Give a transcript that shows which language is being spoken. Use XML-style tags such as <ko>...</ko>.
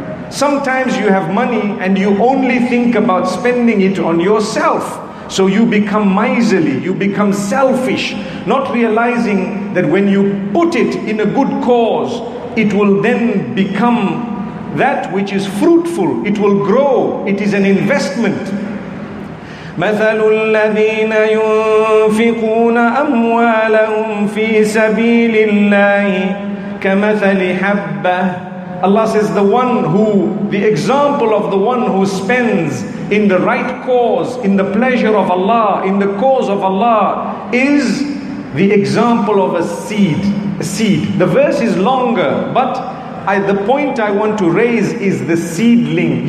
<en>Sometimes you have money and you only think about spending it on yourself. So you become miserly, you become selfish, not realizing that when you put it in a good cause, it will then become that which is fruitful. It will grow. It is an investment.</en> <ar>مثل الذين ينفقون أموالهم في سبيل الله كمثل حبة.</ar> <en>Allah says, the example of the one who spends in the right cause, in the pleasure of Allah, in the cause of Allah, is the example of a seed. The verse is longer, but the point I want to raise is the seedling.</en>